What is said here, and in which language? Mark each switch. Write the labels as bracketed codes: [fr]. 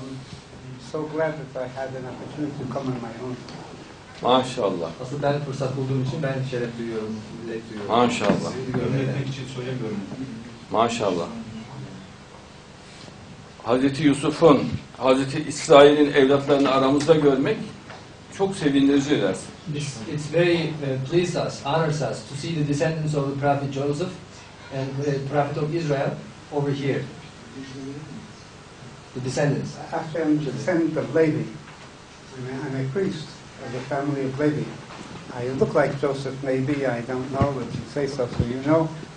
[en] I'm so glad that I had an opportunity to come on my own. [tr] Maşallah. Aslında ben fırsat bulduğum için ben şeref duyuyorum, millet duyuyorum. Maşallah. Görmek için söylemiyorum. Maşallah. Hazreti Yusuf'un, Hazreti İsrail'in evlatlarını aramızda görmek çok sevindirici ders. [en] It's very pleases us, honors us to see the descendants of the Prophet Joseph and the Prophet of Israel over here. The descendants. I am the descendant of Levi. I'm a priest of the family of Levi. I look like Joseph, maybe, I don't know, but you say so you know.